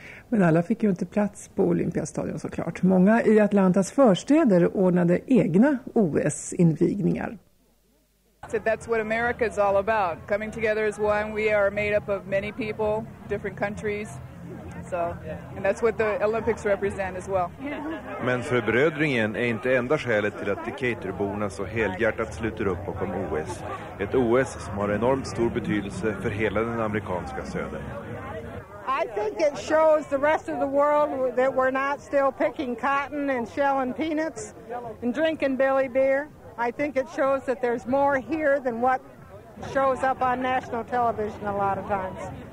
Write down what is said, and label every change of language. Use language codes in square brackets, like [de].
[sv] Men alla fick ju inte plats på Olympiastadion såklart. Många i Atlantas förstäder ordnade egna OS-invigningar. [en] That's what America is all about. Coming together as one. We are made up of many people, different countries. So, and that's what the Olympics represent as well. [sv] Men förbrödringen är inte enda skälet till att Decaturborna så helhjärtat sluter upp bakom OS. Ett OS som har enormt stor betydelse för hela den amerikanska södern. [en] I think it shows the rest of the world that we're not still picking cotton and shelling peanuts and drinking Billy beer. I think it shows that there's more here than what shows up on national television a lot of times.